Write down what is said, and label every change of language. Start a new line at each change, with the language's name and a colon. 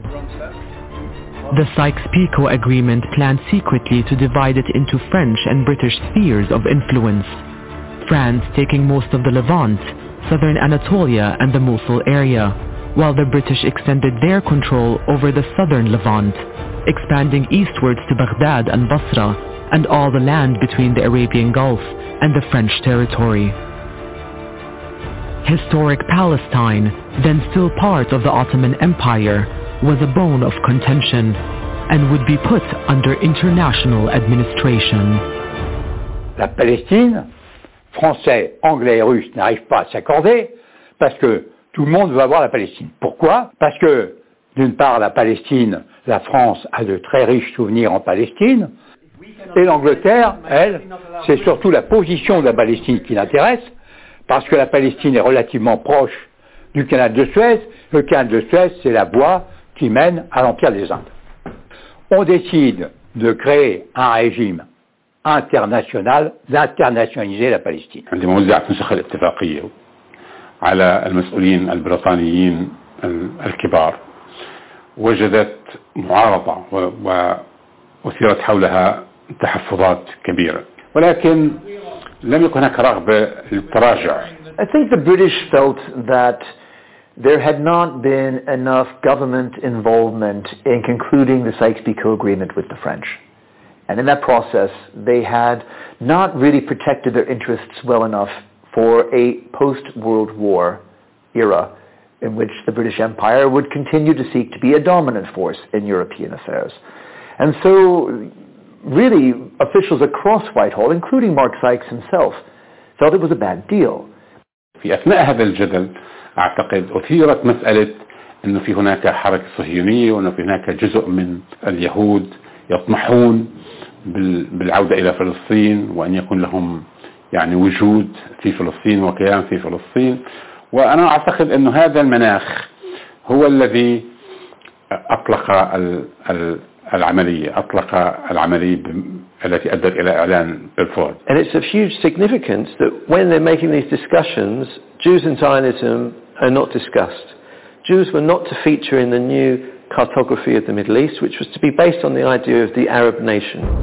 English: The Sykes-Picot agreement planned secretly to divide it into French and British spheres of influence, France taking most of the Levant, southern Anatolia and the Mosul area, while the British extended their control over the southern Levant, expanding eastwards to Baghdad and Basra, and all the land between the Arabian Gulf and the French territory. Historic Palestine, then still part of the Ottoman Empire, was a bone of contention, and would be put under international administration.
French: La Palestine, Français, Anglais et Russes n'arrivent pas à s'accorder parce que tout le monde veut avoir la Palestine. Pourquoi ? Parce que, d'une part, la Palestine, la France a de très riches souvenirs en Palestine, et l'Angleterre, elle, c'est surtout la position de la Palestine qui l'intéresse, parce que la Palestine est relativement proche du canal de Suez. Le canal de Suez, c'est la voie qui mène à l'Empire des Indes. On décide de créer un régime international, d'internationaliser la Palestine.
Arabic: عندي موزعة نسخ الاتفاقية على المسؤولين البريطانيين الكبار وجدت معارضة وثيرت حولها تحفظات كبيرة ولكن لم يكن هناك رغبة للتراجع.
English: I think the British felt that there had not been enough government involvement in concluding the Sykes-Picot agreement with the French. And in that process, they had not really protected their interests well enough for a post-World War era in which the British Empire would continue to seek to be a dominant force in European affairs. And so, really, officials across Whitehall, including Mark Sykes himself, felt it was a bad deal.
Arabic: في أثناء هذا الجدل، أعتقد أثيرت مسألة أنه في هناك حركة صهيونية وأنه في هناك جزء من اليهود يطمحون بالعودة إلى فلسطين وأن يكون لهم يعني وجود في فلسطين وكيان في فلسطين وأنا أعتقد أن هذا المناخ هو الذي أطلق العملية أطلق العملية التي أدت إلى إعلان بلفور.
English: And it's of huge significance that when they're making these discussions, Jews and Zionism are not discussed. Jews were not to feature in the new cartography of the Middle East, which was to be based on the idea of the Arab nation.